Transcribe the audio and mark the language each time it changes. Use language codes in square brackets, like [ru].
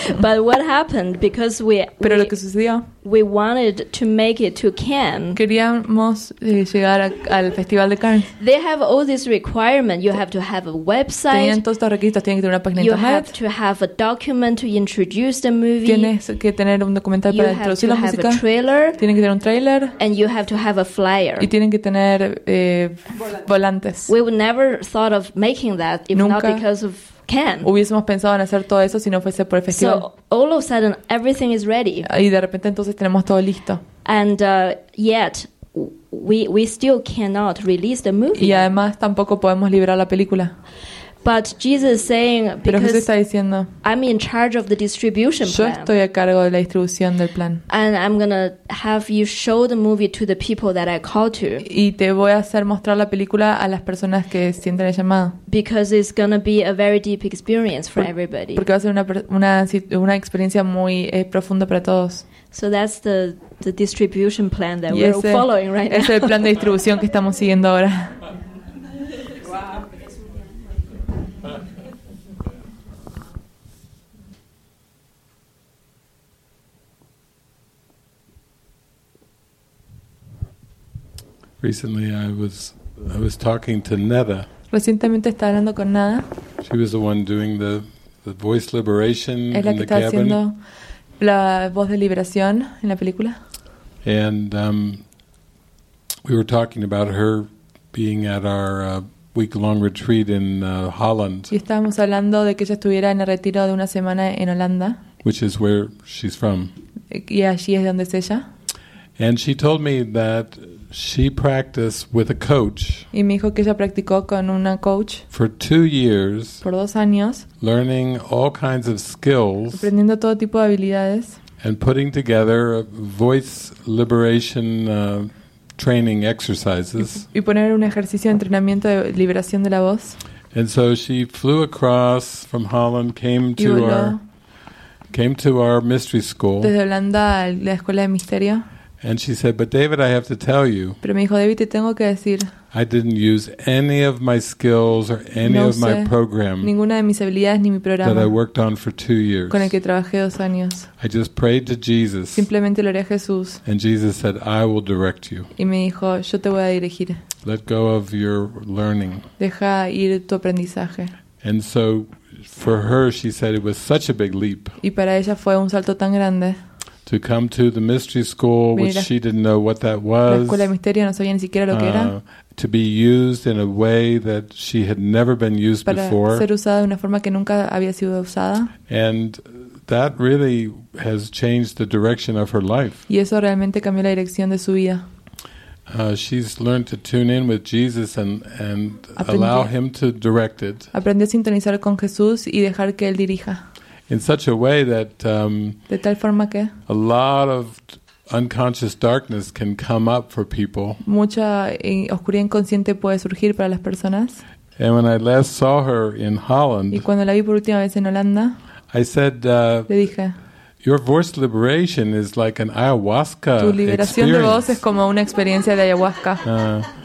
[en] But what happened? Because [es] pero lo que sucedió. [en] We wanted to make it to Cannes. [es] Queríamos llegar al Festival de Cannes. [en] They have all these requirements. You have to have a website. [es] Tenían todos estos requisitos. Tienen que tener una página de internet. [en] You have to have a document to introduce the movie. [es] Tienes que tener un documental para introducir la música. [en] You have to have a trailer. [es] Tienen que tener un trailer. [en] And you have to have a flyer. [es] Y tienen que tener volantes. [en] We would never thought of making that if Nunca not because of Ken. [es] Hubiésemos pensado en hacer todo eso si no fuese por el festival. [en] So all of a sudden everything is ready. [es] Y de repente entonces tenemos todo listo. [en] And yet we still cannot release the movie. [es] Y además tampoco podemos liberar la película. [en] But Jesus is saying, because [es] está diciendo, [en] I'm in charge of the distribution [es] plan. Yo estoy a cargo de la distribución del plan. [en] And I'm going to have you show the movie to the people that I call to. [es] Y te voy a hacer mostrar la película a las personas que sienten el llamado. [en] Because it's going to be a very deep experience for everybody. [es] Porque va a ser una experiencia muy profunda para todos. [en] So that's the distribution plan that we're following right now. [es] Es el plan de distribución que estamos siguiendo ahora. [en] Recently, I was talking to Neda. [es] Recientemente estaba hablando con Neda. [en] She was the one doing the voice liberation in the cabin. [es] Es la que estaba haciendo la voz de liberación en la película. [en] And we were talking about her being at our week-long retreat in Holland. [es] Y estábamos hablando de que ella estuviera en el retiro de una semana en Holanda. [en] Which is where she's from. [es] Y allí es donde es ella. [en] And she told me that she practiced with a coach. [es] Y me dijo que ella practicó con una coach. [en] For 2 years. [es] Por 2 años. [en] Learning all kinds of skills. [es] Aprendiendo todo tipo de habilidades. [en] And putting together voice liberation training exercises. [es] Y poner un ejercicio de entrenamiento de liberación de la voz. [en] And so she flew across from Holland, came to our mystery school. [es] Desde Holanda a la escuela de misterio. [en] And she said, "But David, I have to tell you." [es] Pero me dijo, David, te tengo que decir. [en] I didn't use any of my skills or any [es] no [en] of my program. [es] Ninguna de mis habilidades ni mi programa. [en] That I worked on for 2 years. [es] Con el que trabajé 2 años. [en] I just prayed to Jesus. [es] Simplemente le oré a Jesús. [en] And Jesus said, "I will direct you." [es] Y me dijo, yo te voy a dirigir. [en] Let go of your learning. [es] Deja ir tu aprendizaje. [en] And so, for her, she said it was such a big leap. [es] Y para ella fue un salto tan grande. [en] To come to the mystery school, which she didn't know what that was. [es] La escuela de misterio no sabía ni siquiera lo que era. [en] To be used in a way that she had never been used before. [es] Para ser usada de una forma que nunca había sido usada. [en] And that really has changed the direction of her life. [es] Y eso realmente cambió la dirección de su vida. [en] She's learned to tune in with Jesus and allow him to direct it. [es] Aprendió a sintonizar con Jesús y dejar que él dirija. [en] In such a way that [es] de tal forma que [en] a lot of unconscious darkness can come up for people. [es] Mucha oscuridad inconsciente puede surgir para las personas. [en] And when I last saw her in Holland, [es] y cuando la vi por última vez en Holanda, [en] I said, [es] le dije, [en] "Your voice liberation is like an ayahuasca [es] experience." Tu liberación de voz es como una experiencia de ayahuasca.